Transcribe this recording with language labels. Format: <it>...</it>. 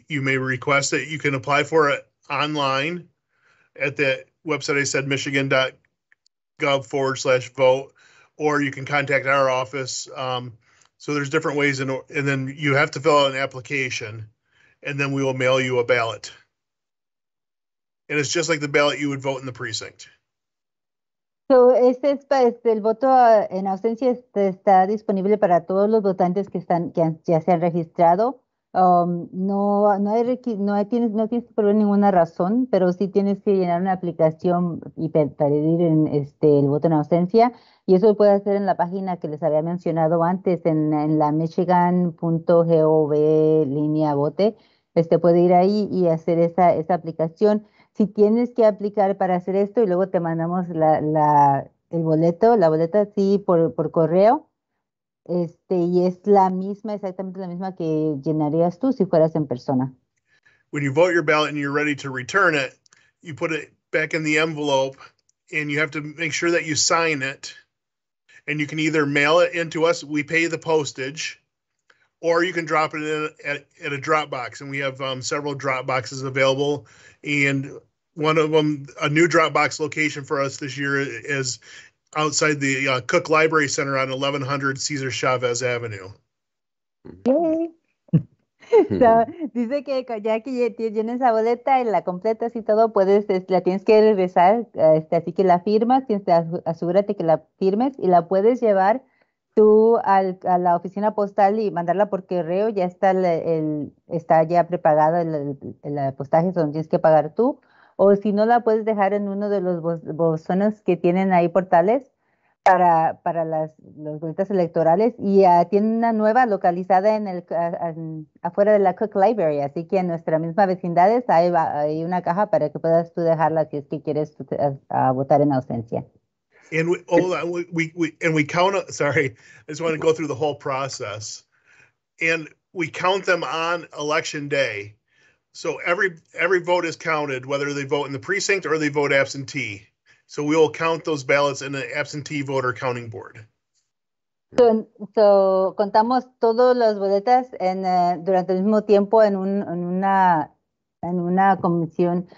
<en>You may request it. You can apply for it online at the website I said, michigan.gov/vote, or you can contact our office. So there's different ways, and then you have to fill out an application, and then we will mail you a ballot. And it's just like the ballot you would vote in the precinct.</en> <es>So el voto en ausencia está disponible para todos los votantes que ya se han registrado. No tienes que poner ninguna razón, pero sí tienes que llenar una aplicación y pedir el voto en ausencia. Y eso puede hacer en la página que les había mencionado antes, en la michigan.gov línea vote. Puede ir ahí y hacer esa aplicación. Si tienes que aplicar para hacer esto y luego te mandamos la boleta sí por correo. Y es la misma, exactamente la misma que llenarías tú si fueras en persona.</es> <en>When you vote your ballot and you're ready to return it, you put it back in the envelope and you have to make sure that you sign it. And you can either mail it into us, we pay the postage, or you can drop it in at a drop box. And we have several drop boxes available. And one of them, a new drop box location for us this year is outside the Cook Library Center on 1100 Cesar Chavez Avenue.</en> <es>So, dice que ya que tienes la boleta y la completas y todo, la tienes que regresar, así que la firmas, asegúrate que la firmes y la puedes llevar tú a la oficina postal y mandarla por correo. Ya está está ya prepagada el postaje, donde tienes que pagar tú. O si no, la puedes dejar en uno de los bolsones que tienen ahí portales para las boletas electorales. Y tiene una nueva localizada en el afuera de la Cook Library. Así que en nuestra misma vecindad hay una caja para que puedas tú dejarla si es que quieres votar en ausencia.</es> <en>And we count, sorry, I just want to go through the whole process. And we count them on election day. So every vote is counted, whether they vote in the precinct or they vote absentee. So we will count those ballots in the absentee voter counting board.</en> <es>So contamos todas las boletas durante el mismo tiempo en una comisión.</es>